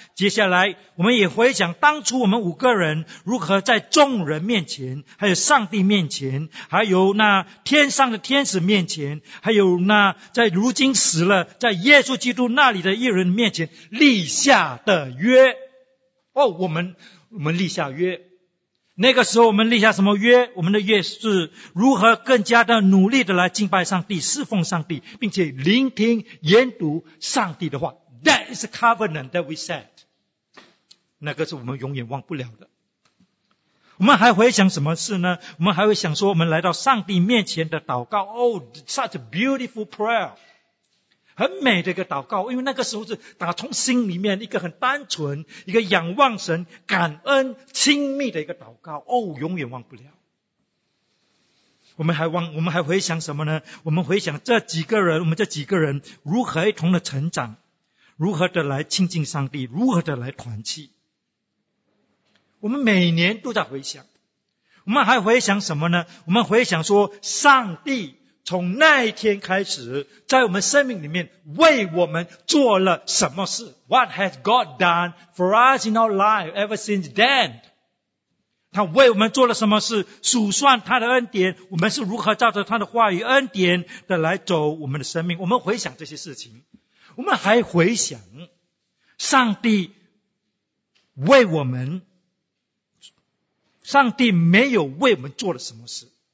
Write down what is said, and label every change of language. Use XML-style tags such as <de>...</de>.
<zh>接下来我们也回想当初我们五个人如何在众人面前，还有上帝面前，还有那天上的天使面前，还有那在如今死了在耶稣基督那里的一人面前立下的约。哦，我们立下约，那个时候我们立下什么约？我们的约是如何更加的努力的来敬拜上帝，侍奉上帝，并且聆听研读上帝的话。</zh> <en>That is a covenant that we set.</en> <zh>那个是我们永远忘不了的。我们还会想什么事呢？我们还会想说我们来到上帝面前的祷告。</zh> <en>Oh, such a beautiful prayer.</en> <zh>很美的一个祷告，因为那个时候是打从心里面一个很单纯，一个仰望神，感恩亲密的一个祷告。哦，永远忘不了。我们还回想什么呢？我们回想这几个人，我们这几个人如何一同的成长，如何的来亲近上帝，如何的来团契。我们每年都在回想。我们还回想什么呢？我们回想说上帝从那一天开始在我们生命里面为我们做了什么事。</zh> <en>What has God done for us in our life ever since then?</en> <zh>他为我们做了什么事，数算他的恩典，我们是如何照着他的话语恩典的来走我们的生命。我们回想这些事情，我们还回想上帝没有为我们做了什么事。</zh>